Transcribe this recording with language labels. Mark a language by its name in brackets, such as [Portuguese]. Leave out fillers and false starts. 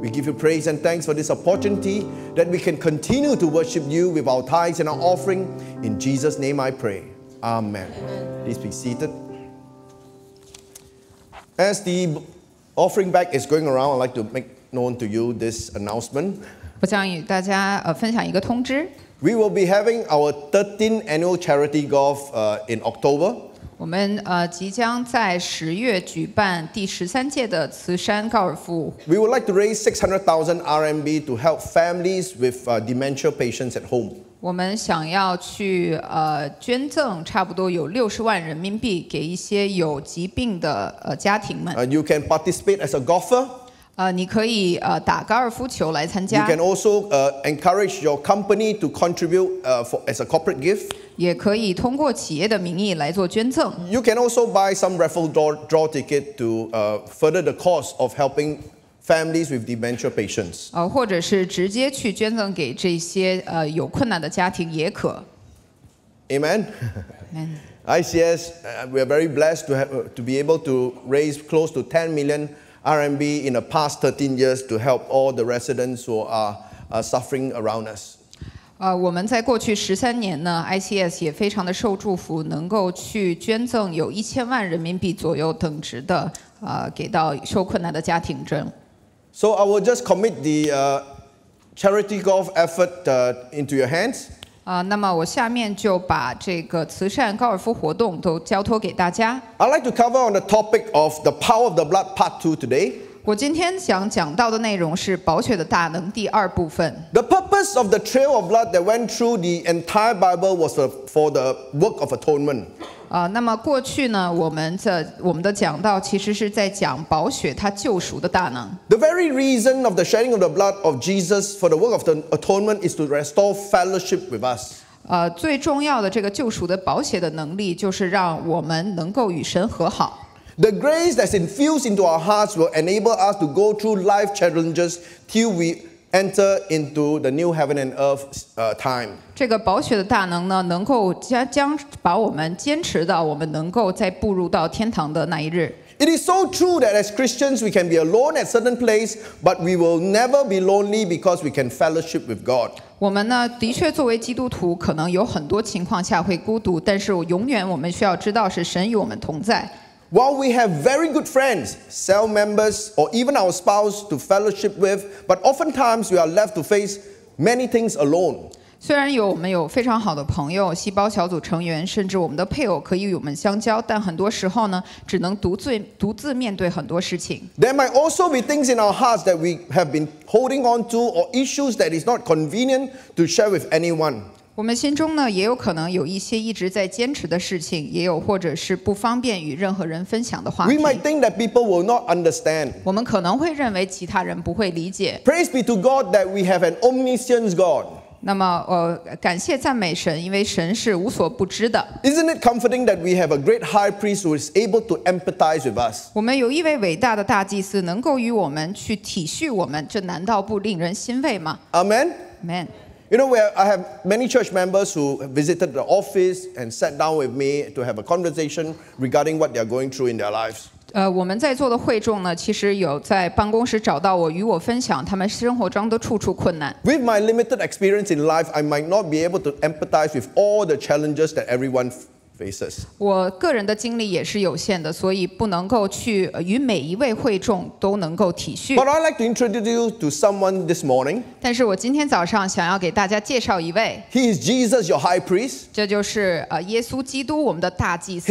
[English] We give you praise and thanks for this opportunity that we can continue to worship you with our tithes and our offering. In Jesus' name I pray. Amen. Amen. Please be seated. As the offering bag is going around, I'd like to make known to you this announcement. [Chinese] 我想与大家, 分享一个通知。 [English] We will be having our 13th annual charity golf in October. [Chinese] 我们, 即将在10月举办第13届的慈善高尔夫。 [English] We would like to raise 600,000 RMB to help families with dementia patients at home. [Chinese] 我们想要去, 捐赠差不多有60万人民币给一些有疾病的, 家庭们。 [English] You can participate as a golfer. [Chinese] 你可以, 打高尔夫球来参加。 [English] You can also encourage your company to contribute as a corporate gift. [Chinese] 也可以通过企业的名义来做捐赠。 [English] You can also buy some raffle draw ticket to further the cause of helping families with dementia patients. [Chinese] 或者是直接去捐赠给这些, 有困难的家庭也可。 [English] Amen. ICS, we are very blessed to be able to raise close to 10 million RMB in the past 13 years to help all the residents who are suffering around us. [Chinese] 我们在过去13年呢, ICS也非常的受祝福, 能够去捐赠有1000万人民币左右等值的, 给到受困难的家庭中。 [English] So I will just commit the charity golf effort into your hands. [Chinese] 那么我下面就把这个慈善高尔夫活动都交托给大家。 [English] I'd like to cover on the topic of the power of the blood part 2 today. [Chinese] 我今天想讲到的内容是宝血的大能第二部分。 [English] The purpose of the trail of blood that went through the entire Bible was for the work of atonement. [Chinese] 那么过去呢，我们的讲道其实是在讲宝血它救赎的大能。 [English] The very reason of the shedding of the blood of Jesus for the work of the atonement is to restore fellowship with us. [Chinese] 最重要的这个救赎的宝血的能力，就是让我们能够与神和好。 [English] The grace that's infused into our hearts will enable us to go through life challenges till we enter into the new heaven and earth time. [Chinese] 这个宝血的大能呢，能够将把我们坚持到我们能够再步入到天堂的那一日。 [English] It is so true that as Christians we can be alone at certain place, but we will never be lonely because we can fellowship with God. [Chinese] 我们呢，的确作为基督徒，可能有很多情况下会孤独，但是永远我们需要知道是神与我们同在。 [English] While we have very good friends, cell members, or even our spouse to fellowship with, but oftentimes we are left to face many things alone. [Chinese] 虽然有我们有非常好的朋友、细胞小组成员，甚至我们的配偶可以与我们相交，但很多时候呢，只能独自面对很多事情。 [English] There might also be things in our hearts that we have been holding on to, or issues that is not convenient to share with anyone. [Chinese] 我们心中呢，也有可能有一些一直在坚持的事情，也有或者是不方便与任何人分享的话题。 [English] We might think that people will not understand. [Chinese] 我们可能会认为其他人不会理解。 [English] Praise be to God that we have an omniscient God. [Chinese] 那么，感谢赞美神，因为神是无所不知的。 [English] Isn't it comforting that we have a great high priest who is able to empathize with us? [Chinese] 我们有一位伟大的大祭司，能够与我们去体恤我们，这难道不令人欣慰吗 [English] ？Amen. Amen. You know, I have many church members who visited the office and sat down with me to have a conversation regarding what they are going through in their lives. [Chinese] 我们在座的会众呢，其实有在办公室找到我，与我分享他们生活中的处处困难。 [English] With my limited experience in life, I might not be able to empathize with all the challenges that everyone faces. [Chinese] 我个人的经历也是有限的，所以不能够去与每一位会众都能够体恤。 [English] But I'd like to introduce you to someone this morning. [Chinese] 但是我今天早上想要给大家介绍一位。 [English] He is Jesus, your high priest. [Chinese] 这就是耶稣基督，我们的大祭司。